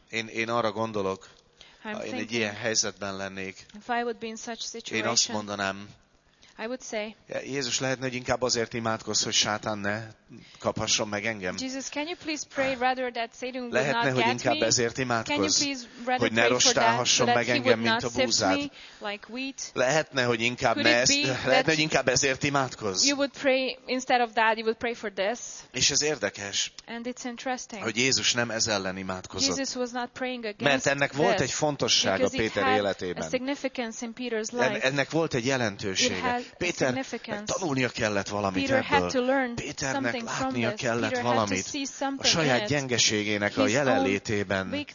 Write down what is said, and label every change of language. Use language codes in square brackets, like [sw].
[hu] Én arra gondolok, ha én egy ilyen helyzetben lennék, én azt mondanám, [en] I would say. [hu] Jézus, lehetne, hogy inkább azért imádkozz, hogy Sátán ne kaphasson meg engem. [en] Jesus, can you please pray rather that Satan would not get me? [hu] Lehetne, hogy inkább ezért imádkozz, hogy ne rostálhasson meg engem, mint a búzát. [en] Like wheat. [hu] Lehetne, hogy inkább inkább ezért imádkozz. [en] You would pray instead of that, you would pray for this. [hu] És ez érdekes. [en] And it's interesting. [hu] Hogy Jézus nem ez ellen imádkozott. [en] Jesus was not praying against. [hu] Mert ennek volt egy fontossága Péter életében. [en] A significance in Peter's life. [hu] Ennek volt egy jelentősége. Péter, tanulnia kellett valamit ebből. Péternek látnia kellett valamit a saját gyengeségének a jelenlétében.